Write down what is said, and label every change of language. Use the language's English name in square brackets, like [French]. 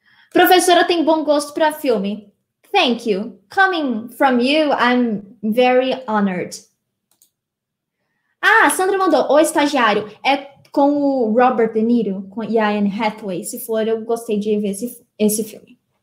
[Portuguese] Professora tem bom gosto para filme. [English] Thank you. Coming from you, I'm very honored. [Portuguese] Ah, Sandra mandou. O estagiário é com o Robert De Niro e a Anne Hathaway. Se for, eu gostei de ver esse filme.